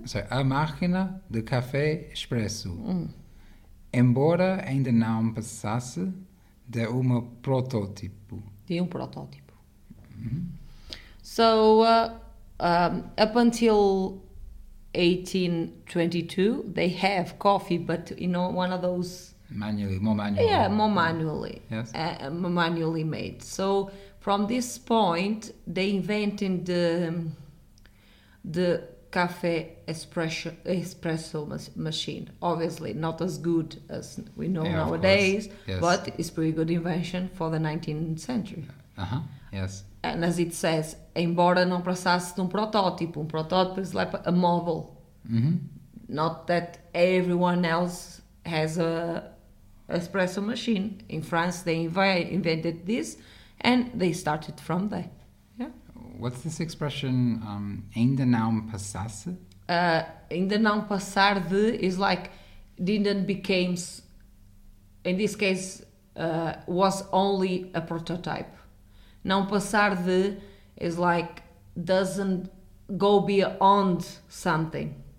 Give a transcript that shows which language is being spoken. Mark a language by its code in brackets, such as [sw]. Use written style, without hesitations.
[pt] A máquina de café expresso. Embora ainda não passasse de um protótipo. [en] So, up until 1822, they have coffee, but you know, one of those. More manually. Yeah, more manually. Yes. Manually made. So. From this point, they invented the café espresso machine. Obviously, not as good as we know nowadays, but it's a pretty good invention for the 19th century. And as it says, embora não passasse de protótipo. Protótipo is like a model. Mm-hmm. Not that everyone else has a espresso machine. In France, they invented this. And they started from there, yeah. What's this expression, ainda não passasse? Ainda não passar de is like, didn't became, in this case, was only a prototype. Não passar de is like, doesn't go beyond something.